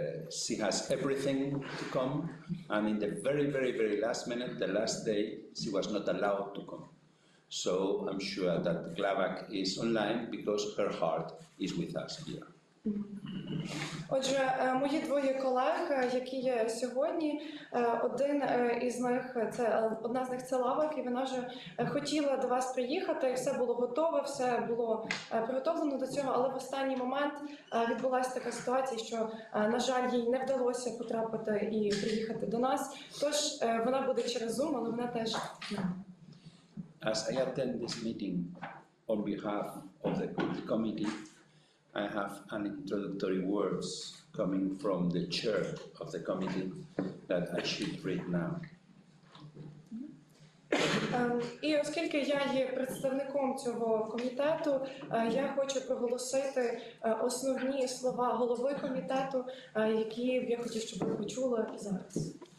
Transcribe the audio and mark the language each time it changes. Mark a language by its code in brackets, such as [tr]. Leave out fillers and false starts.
[en] She has everything to come, and in the very, very, very last minute, the last day, she was not allowed to come. So I'm sure that Glavak is online because her heart is with us here. [uk] Отже, мої двоє колег, які є сьогодні, один із них, це одна з них це Лавак, і вона вже хотіла до вас приїхати, все було готове, все було приготовлено до цього, але в останній момент відбулася така ситуація, що, на жаль, їй не вдалося потрапити і приїхати до нас, тож вона буде через Zoom, але вона теж. [en] As I attend this meeting on behalf of the committee, I have an introductory words coming from the chair of the committee that I should read now. [uk] І оскільки я є представником цього комітету, я хочу проголосити основні слова голови комітету, які я хотів, щоб ви почули зараз.